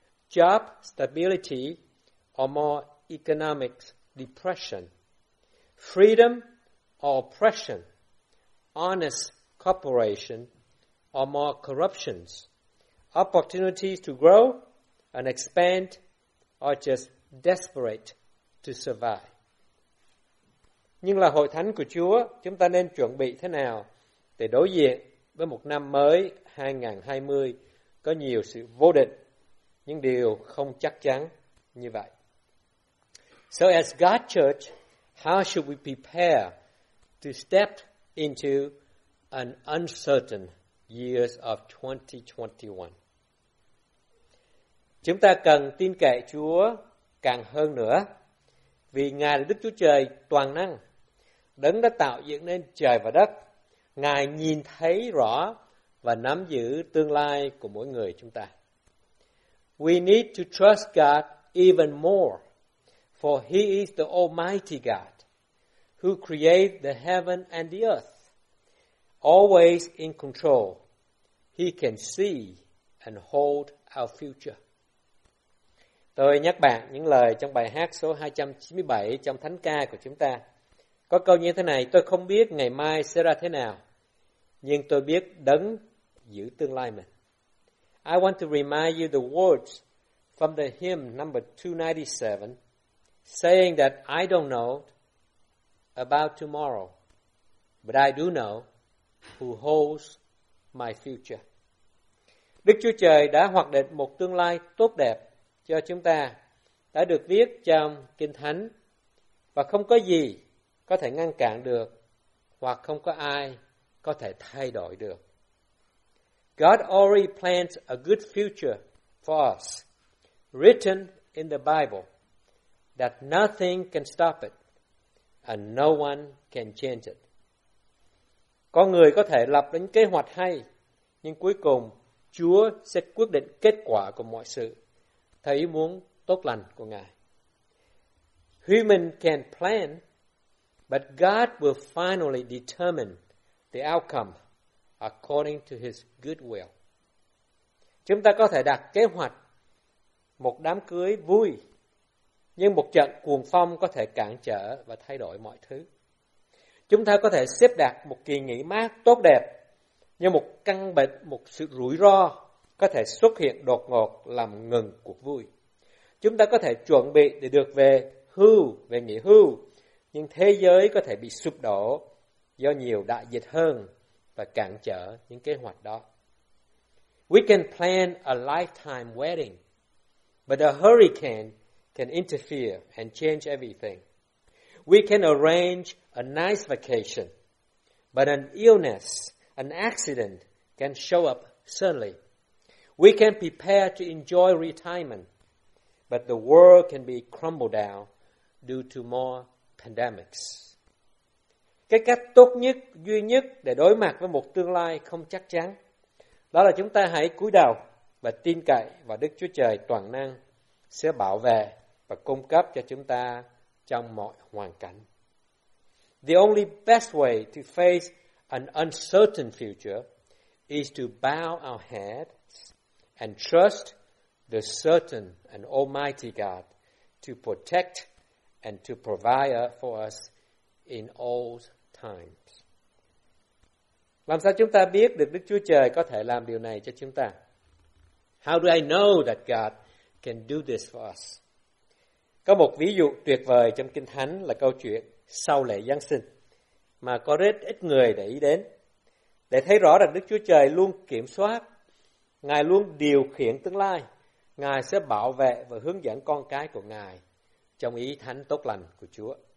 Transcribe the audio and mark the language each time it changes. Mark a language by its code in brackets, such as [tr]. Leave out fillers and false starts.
[en] Job stability or more economic depression, freedom or oppression, honest cooperation or more corruptions, opportunities to grow and expand or just desperate to survive. [vi] Nhưng là hội thánh của Chúa, chúng ta nên chuẩn bị thế nào để đối diện với một năm mới 2020 có nhiều sự vô định, những điều không chắc chắn như vậy. [en] So as God's church, how should we prepare to step into an uncertain years of 2021? [vi] Chúng ta cần tin cậy Chúa càng hơn nữa, vì Ngài là Đức Chúa Trời toàn năng, Đấng đã tạo dựng nên trời và đất. Ngài nhìn thấy rõ và nắm giữ tương lai của mỗi người chúng ta. [en] We need to trust God even more. For he is the Almighty God, who created the heaven and the earth. Always in control, he can see and hold our future. [vi] Tôi nhắc bạn những lời trong bài hát số 297 trong thánh ca của chúng ta. Có câu như thế này, tôi không biết ngày mai sẽ ra thế nào, nhưng tôi biết đấng giữ tương lai mình. [en] I want to remind you the words from the hymn number 297. Saying that I don't know about tomorrow, but I do know who holds my future. [vi] Đức Chúa Trời đã hoạch định một tương lai tốt đẹp cho chúng ta, đã được viết trong Kinh Thánh, và không có gì có thể ngăn cản được, hoặc không có ai có thể thay đổi được. [en] God already plans a good future for us, written in the Bible. That nothing can stop it, and no one can change it. [vi] Con người có thể lập đến kế hoạch hay, nhưng cuối cùng Chúa sẽ quyết định kết quả của mọi sự theo ý muốn tốt lành của Ngài. [en] Human can plan, but God will finally determine the outcome according to his good will. [vi] Chúng ta có thể đặt kế hoạch một đám cưới vui, nhưng một trận cuồng phong có thể cản trở và thay đổi mọi thứ. Chúng ta có thể xếp đặt một kỳ nghỉ mát tốt đẹp, nhưng một căn bệnh, một sự rủi ro có thể xuất hiện đột ngột làm ngừng cuộc vui. Chúng ta có thể chuẩn bị để được về hưu, về nghỉ hưu, nhưng thế giới có thể bị sụp đổ do nhiều đại dịch hơn và cản trở những kế hoạch đó. [en] We can plan a lifetime wedding, but a hurricane can interfere and change everything. We can arrange a nice vacation, but an illness, an accident can show up suddenly. We can prepare to enjoy retirement, but the world can be crumbled down due to more pandemics. [vi] Cái cách tốt nhất, duy nhất để đối mặt với một tương lai không chắc chắn, đó là chúng ta hãy cúi đầu và tin cậy vào Đức Chúa Trời toàn năng sẽ bảo vệ và cung cấp cho chúng ta trong mọi hoàn cảnh. [en] The only best way to face an uncertain future is to bow our heads and trust the certain and almighty God to protect and to provide for us in all times. [vi] Làm sao chúng ta biết được Đức Chúa Trời có thể làm điều này cho chúng ta? [en] How do I know that God can do this for us? [vi] Có một ví dụ tuyệt vời trong Kinh Thánh là câu chuyện sau lễ Giáng sinh mà có rất ít người để ý đến. Để thấy rõ rằng Đức Chúa Trời luôn kiểm soát, Ngài luôn điều khiển tương lai, Ngài sẽ bảo vệ và hướng dẫn con cái của Ngài trong ý thánh tốt lành của Chúa.